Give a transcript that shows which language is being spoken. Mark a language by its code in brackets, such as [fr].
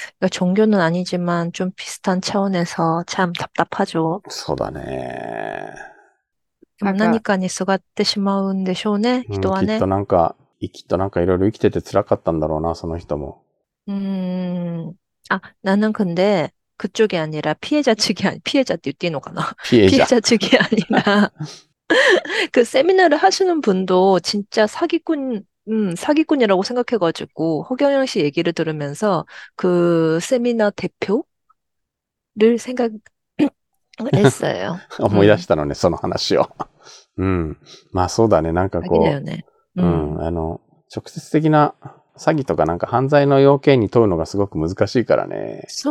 [ko] 종교는 아니지만 좀 비슷한 차원에서 참 답답하죠. [ja] そうだね。でもなんか、何かにすがってしまうんでしょうね、人はきっね。となんか、きっとなんかいろいろ生きてて辛かったんだろうな、その人も。 [ko] あ、나는 근데 그쪽이 아니라 피해자 측이 아니, 피해자 [ja] って言っていいのかな? [ko] 피해 자. 피해자 측이 아니라 그 세미나를 하시는 분도 진짜 사기꾼, 사기꾼이라고 생각해가지고, 허경영 씨 얘기를 들으면서 그 세미나 대표를 생각했어요. [ja] 思い出したのね、その話を。まあそうだね、なんか詐欺だこよね。う、直接的な詐欺とかなんか犯罪の要件に問うのがすごく難しいからね。